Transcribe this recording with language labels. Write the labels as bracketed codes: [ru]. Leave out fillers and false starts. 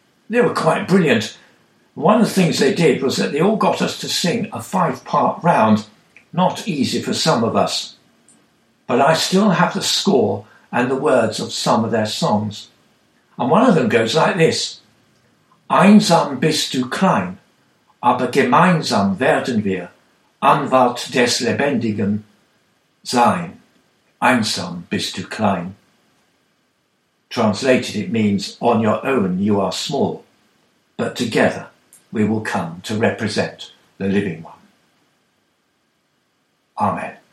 [en] They were quite brilliant. One of the things they did was that they all got us to sing a 5-part round, not easy for some of us. But I still have the score and the words of some of their songs. And one of them goes like this. [de] Einsam bist du klein, aber gemeinsam werden wir Anwalt des Lebendigen sein. Einsam bist du klein. [en] Translated, it means, on your own you are small, but together we will come to represent the living one. Amen.